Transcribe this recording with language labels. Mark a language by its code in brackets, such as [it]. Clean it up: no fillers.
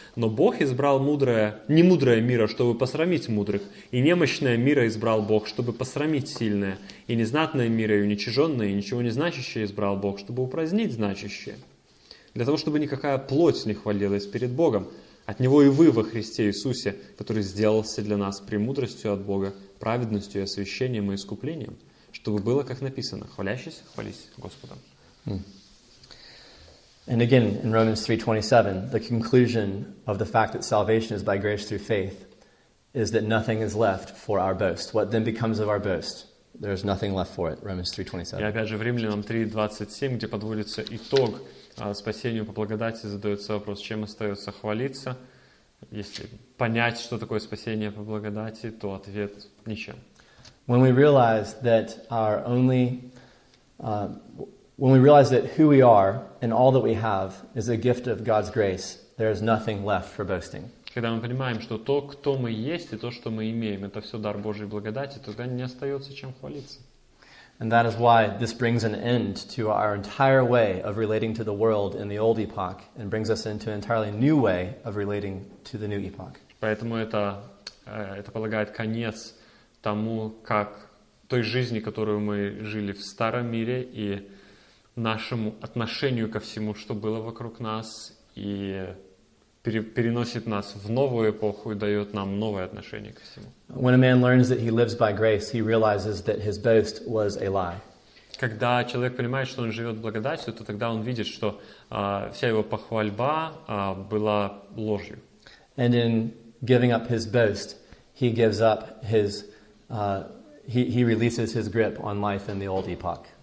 [ru] Но Бог избрал немудрое мира, чтобы посрамить мудрых, и немощное мира избрал Бог, чтобы посрамить сильное, и незнатное мира, и уничиженное, и ничего не значащее избрал Бог, чтобы упразднить значащее. Для того, чтобы никакая плоть не хвалилась перед Богом, от Него и вы во Христе Иисусе, который сделался для нас премудростью от Бога, праведностью и освящением и искуплением. Чтобы было, как написано, хвалящийся, хвались Господом. [en] And again, in Romans 3:27, the conclusion of the fact that salvation is by grace through faith is that nothing is left for our boast. What then becomes of our boast? There is nothing left for it. Romans 3:27. [ru] И опять же, в Римлянам 3:27, где подводится итог спасению по благодати, задается вопрос, чем остается хвалиться. Если понять, что такое спасение по благодати, то ответ – ничем. [en] When we realize that our only, when we realize that who we are and all that we have is a gift of God's grace, there is nothing left for boasting. [ru] Когда мы понимаем, что то, кто мы есть, и то, что мы имеем, это все дар Божьей благодати, тогда не остается чем хвалиться. [en] And that is why this brings an end to our entire way of relating to the world in the old epoch, and brings us into an entirely new way of relating to the new epoch. [ru] Поэтому это полагает конец тому, как той жизни, которую мы жили в старом мире, и нашему отношению ко всему, что было вокруг нас, и переносит нас в новую эпоху и дает нам новое отношение ко всему. [en] When a man learns that he lives by grace, he realizes that his boast was a lie. [ru] Когда человек понимает, что он живет благодатью, то тогда он видит, что вся его похвальба была ложью. [en] And in giving up his boast, he gives up his he releases his grip on life in the old epoch.